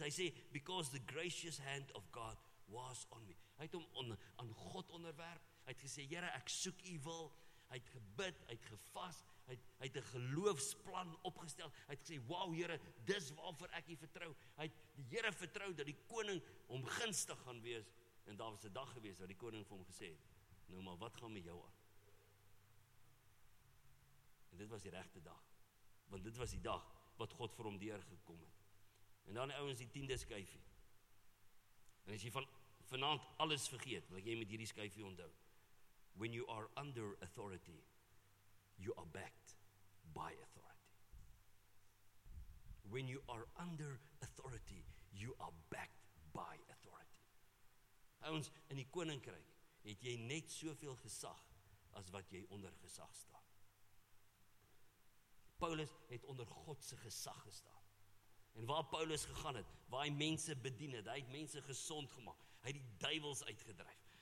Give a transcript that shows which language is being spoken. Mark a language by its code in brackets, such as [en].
[af] Hy sê, [en] because the gracious hand of God was on me. [af] Hy het hom aan God onderwerp. Hy het gesê, Here, ek soek u wil. Hy het gebid, hy het gevas. Hy het 'n geloofsplan opgestel. Hy het gesê, wow Here, dis waarvoor ek u vertrou. Hy het die Here vertrou dat die koning hom gunstig gaan wees. En daar was 'n dag gewees waar die koning vir hom gesê het, nou maar wat gaan met jou aan? En dit was die regte dag, want dit was die dag wat God vir hom deurgekom het. En dan ouens die 10de skuifie. En as jy vanaand alles vergeet, wil ek jy met hierdie skuifie onthou. [en] When you are under authority, you are backed by authority. When you are under authority, you are backed by authority. [af] Ouens, in die koninkryk het jy net soveel gesag as wat jy onder gesag staan. Paulus het onder Godse gesag gestaan. En waar Paulus gegaan het, waar hy mense bedien het, hy het mense gesond gemaak, hy het die duivels uitgedryf.